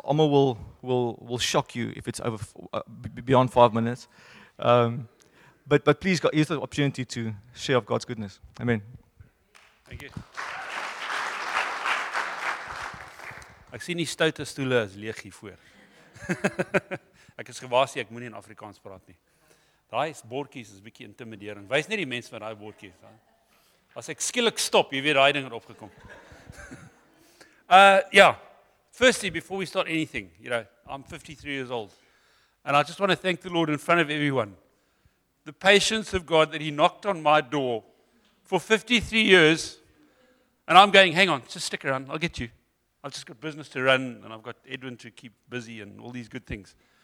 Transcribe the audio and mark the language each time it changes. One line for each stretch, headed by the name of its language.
English: Alma will shock you if it's over beyond 5 minutes. But please use the opportunity to share of God's goodness. Amen. Thank you.
Afrikaans: Ek sien die stoute stoele is leeg hier voor. Ek is gewaarsku, ek moenie in Afrikaans praat nie. Daai bordjies is bietjie intimidering. Wys net die mense wat daai bordjies het. As ek skielik stop, jy weet daai ding het opgekom.
English: Firstly, before we start anything, you know, I'm 53 years old. And I just want to thank the Lord in front of everyone. The patience of God that He knocked on my door for 53 years. And I'm going, hang on, just stick around, I'll get you. I've just got business to run and I've got Edwin to keep busy and all these good things.